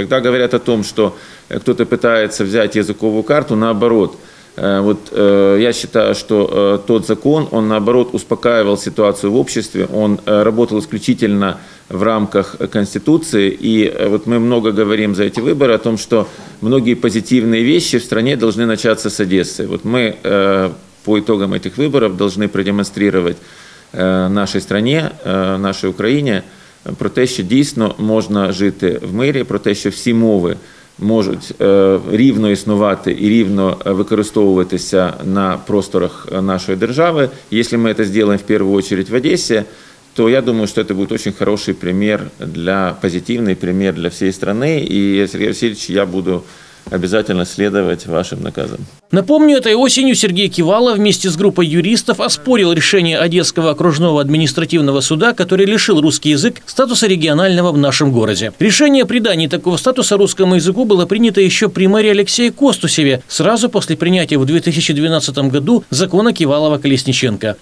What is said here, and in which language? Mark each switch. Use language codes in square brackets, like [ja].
[ru] Когда говорят о том, что кто-то пытается взять языковую карту, наоборот, вот я считаю, что тот закон, он наоборот успокаивал ситуацию в обществе, он работал исключительно в рамках Конституции, и вот мы много говорим за эти выборы о том, что многие позитивные вещи в стране должны начаться с Одессы. Вот мы по итогам этих выборов должны продемонстрировать нашей стране, нашей Украине, [uk] про те, що дійсно можна жити в мирі, про те, що всі мови можуть рівно існувати і рівно використовуватися на просторах нашої держави. Якщо ми це зробимо в першу чергу в Одесі, то я думаю, що це буде дуже хороший примір, позитивний примір для всієї країни. [ru] І, Сергій Васильович, я буду обязательно следовать вашим наказам. Напомню, этой осенью Сергей Кивало вместе с группой юристов оспорил решение Одесского окружного административного суда, который лишил русский язык статуса регионального в нашем городе. Решение о придании такого статуса русскому языку было принято еще при мэре Алексее Костусеве, сразу после принятия в 2012 году закона Кивалова-Колесниченко.